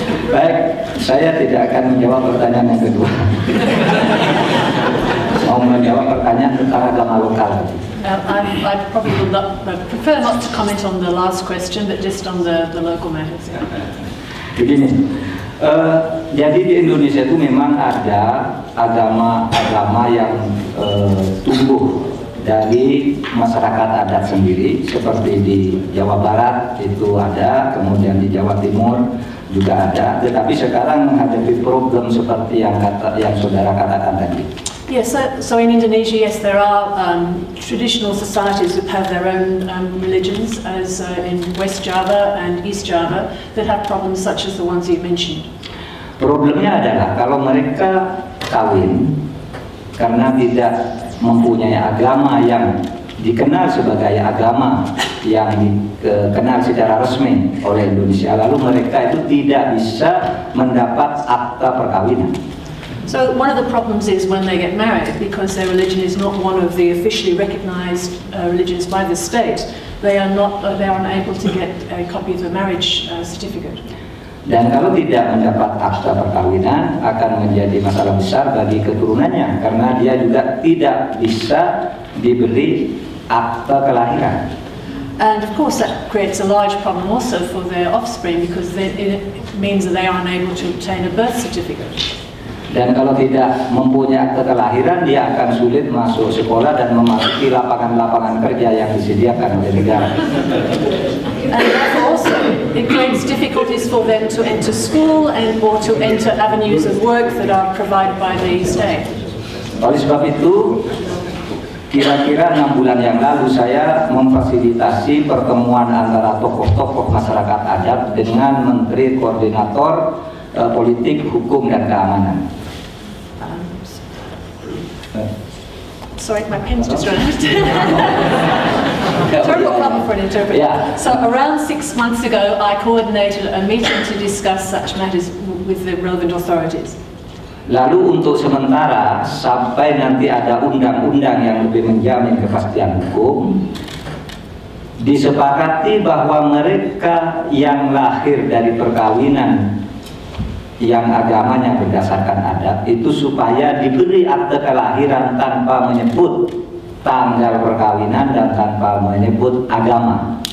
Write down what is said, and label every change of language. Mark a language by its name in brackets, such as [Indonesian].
[Indonesian] Baik, saya tidak akan menjawab pertanyaan yang kedua. Mau menjawab pertanyaan tentang agama lokal. [English] I probably would prefer not to comment on the last question, but just on the local matters. [Indonesian] Begini, jadi di Indonesia itu memang ada agama-agama yang tumbuh dari masyarakat adat sendiri, seperti di Jawa Barat itu ada, kemudian di Jawa Timur juga ada, tetapi sekarang menghadapi problem seperti yang saudara katakan tadi. [English] Yes, so in Indonesia, yes, there are traditional societies that have their own religions, as in West Java and East Java, that have problems such as the ones you've mentioned. [Indonesian] Problemnya adalah kalau mereka kawin karena tidak mempunyai agama yang dikenal sebagai agama yang dikenal secara resmi oleh Indonesia, lalu mereka itu tidak bisa mendapat akta perkawinan. [English] So one of the problems is when they get married, because their religion is not one of the officially recognized religions by the state, they are unable to get a copy of the marriage certificate. [Indonesian] Dan kalau tidak mendapat akta perkawinan, akan menjadi masalah besar bagi keturunannya, karena dia juga tidak bisa diberi akta kelahiran. [English] And of course that creates a large problem also for their offspring, because it means that they are unable to obtain a birth certificate. [Indonesian] Dan kalau tidak mempunyai akta kelahiran, dia akan sulit masuk sekolah dan memasuki lapangan-lapangan kerja yang disediakan oleh negara. [English] And also, it creates difficulties for them to enter school and or to enter avenues of work that are provided by the state. [Indonesian] Oleh sebab itu, kira-kira 6 bulan yang lalu saya memfasilitasi pertemuan antara tokoh-tokoh masyarakat adat dengan Menteri Koordinator Politik, Hukum, dan Keamanan. [English] Sorry, my pen's just running. Terrible problem for an interpreter. Yeah. So around 6 months ago, I coordinated a meeting to discuss such matters with the relevant authorities. [Indonesian] Lalu untuk sementara, sampai nanti ada undang-undang yang lebih menjamin kepastian hukum, disepakati bahwa mereka yang lahir dari perkawinan yang agamanya berdasarkan adat itu supaya diberi akte kelahiran tanpa menyebut tanggal perkawinan dan tanpa menyebut agama.